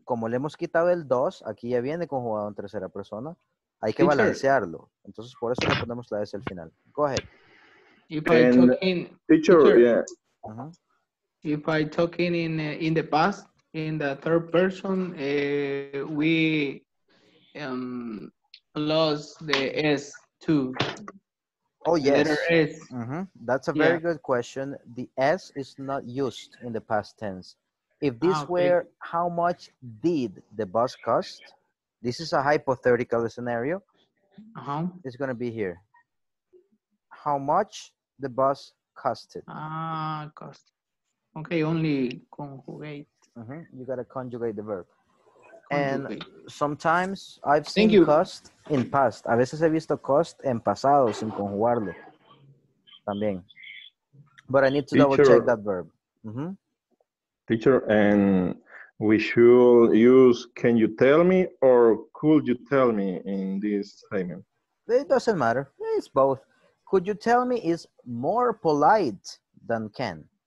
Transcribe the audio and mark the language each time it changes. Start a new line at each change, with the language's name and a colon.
Spanish: Como le hemos quitado el dos, aquí ya viene conjugado en tercera persona. Hay que balancearlo. Entonces, por eso le ponemos la S al final.
English: Go ahead. If I and talk in... Teacher, teacher yeah. Uh-huh. If I talk in the past, in the third person, we lost the S too. Oh, yes. Letter S. Mm-hmm. That's a very good question. The S is not used in the past tense. If this were how much did the bus cost, this is a hypothetical scenario. Uh-huh. It's going to be here. How much the bus costed? Cost. Okay, only conjugate. Mm-hmm. You got to conjugate the verb. And sometimes I've seen cost in past.
Spanish: A veces he visto cost en pasado sin conjugarlo. También.
English: But I need to double check that verb. Mm-hmm. Teacher, and we should use can you tell me or could you tell me in this statement? It doesn't matter. It's both. Could you tell me is more polite than can.